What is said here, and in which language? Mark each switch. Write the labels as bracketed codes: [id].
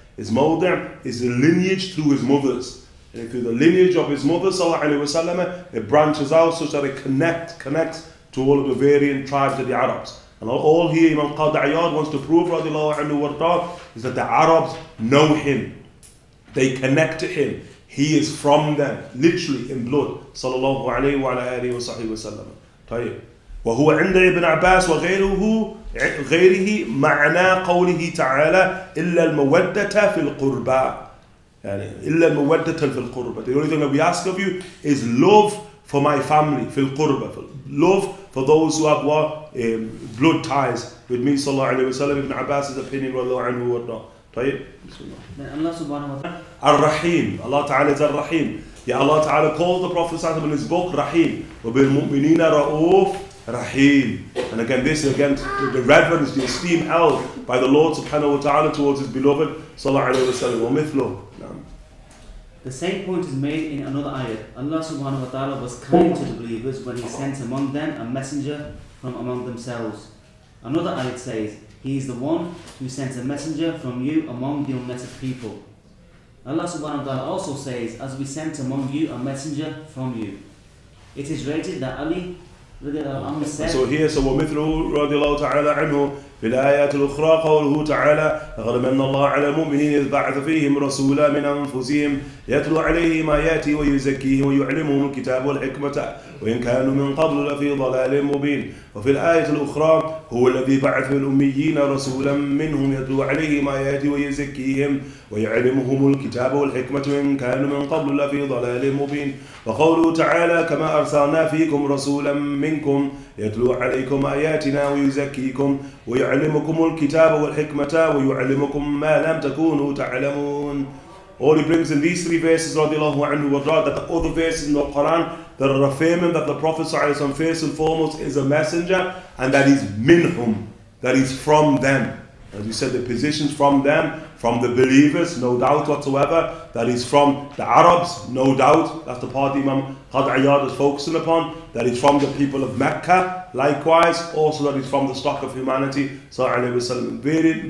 [en] His mawdi' is the lineage through his mothers. And through the lineage of his mother sallallahu alayhi wa sallam, it branches out such that it connects to all of the varying tribes of the Arabs. And all here Imam Qadi Iyad wants to prove, radiallahu anhu warda, is that the Arabs know him. They connect to him. He is from them, literally in blood. Sallallahu alayhi wa alayhi wa sahbihi wa sallam. طيب. [ar] وهو عند ابن عباس وغيره غيره معنى قوله تعالى إلا المودة في القربى. إلا المودة في القربى. [en] The only thing that we ask of you is love for my family, [ar] في القربى. [en] Love for those who have blood ties with me, sallallahu alayhi wa sallam, Ibn Abbas's opinion, radiallahu anhu wa ta'ala. Tayyib, bismillah. Allah subhanahu wa ta'ala. Ar-Rahim, Allah ta'ala is Ar-Rahim. Ya Allah ta'ala called the Prophet sallallahu alayhi wa sallam in his book, Rahim. Wa bil mu'mineena ra'uf Rahim. And again, this is again the reverence, the esteem held by the Lord subhanahu wa ta'ala towards his beloved, sallallahu alayhi wa sallam. Wa mithlo. The same point is made in another ayah. Allah subhanahu wa ta'ala was kind to the believers when He sent among them a messenger from among themselves. Another ayah says, He is the one who sends a messenger from you among the unlettered people. Allah subhanahu wa ta'ala also says, as we sent among you a messenger from you. It is related that Ali radiallahu anhu said, so here, so wa mithluhu radiallahu ta'ala anhu, [ar] في الآيات الأخرى قوله تعالى لقد من الله على المؤمنين إذ بعث فيهم رسولا من أنفسهم يتلو عليهم آياته ويزكيهم ويعلمهم الكتاب والحكمة وإن كانوا من قبل لفي ضلال مبين. وفي الآية الأخرى هو الذي بعث في الأميين رسولا منهم يتلو عليهم آياته ويزكيهم ويعلمهم الكتاب والحكمة وإن كانوا من قبل لفي ضلال مبين. وقوله تعالى كما أرسلنا فيكم رسولا منكم يتلو عليكم آياتنا ويزكيكم ويعلمكم الكتاب والحكمة ويعلمكم ما لم تكونوا تعلمون. [en] All he brings in these three verses, radiallahu anhu, that the other verses in the Quran that are affirming that the Prophet first and foremost is a messenger, and that he's minhum, that he's from them. As we said, the positions from them, from the believers, no doubt whatsoever, that he's from the Arabs, no doubt, that's the part Imam Qadi Iyad is focusing upon, that he's from the people of Mecca, likewise, also that he's from the stock of humanity, sallallahu alayhi wa sallam.